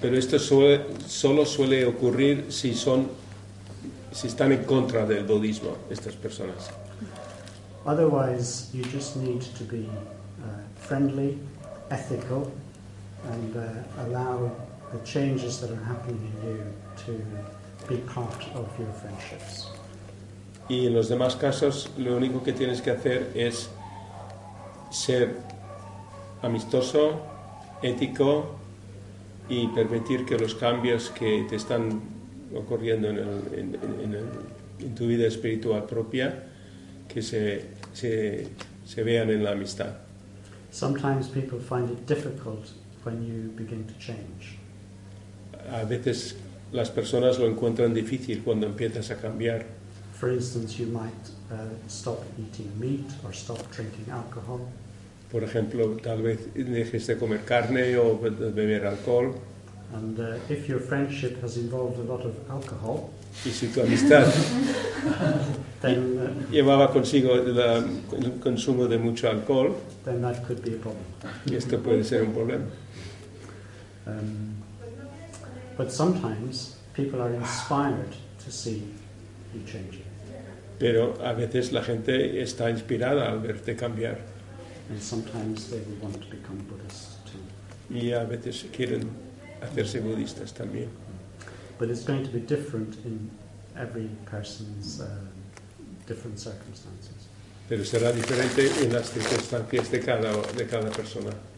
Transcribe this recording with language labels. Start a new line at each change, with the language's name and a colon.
Spanish: Pero esto solo suele ocurrir si están en contra del budismo estas personas.
English: Otherwise, you just need to be friendly, ethical, and allow the changes that are happening in you to be part of your friendships.
Spanish: Y en los demás casos, lo único que tienes que hacer es ser amistoso, ético y permitir que los cambios que te están ocurriendo en tu vida espiritual propia que se vean en la amistad.
English: Sometimes people find it difficult when you begin to change.
Spanish: A veces las personas lo encuentran difícil cuando empiezas a cambiar.
English: For instance, you might stop eating meat or stop drinking alcohol.
Spanish: Por ejemplo, tal vez dejes de comer carne o de beber alcohol.
English: And if your friendship has involved a lot of alcohol,
Spanish: y si tu amistad
English: then,
Spanish: llevaba consigo el consumo de mucho alcohol,
English: then that could be a problem.
Spanish: Y esto puede ser un problema.
English: But sometimes people are inspired to see you changing.
Spanish: Pero a veces la gente está inspirada al verte cambiar.
English: And sometimes they will want to become Buddhists too.
Spanish: Y a veces quieren hacerse budistas también.
English: But it's going to be different in every person's different circumstances.
Spanish: Pero será diferente en las circunstancias de cada persona.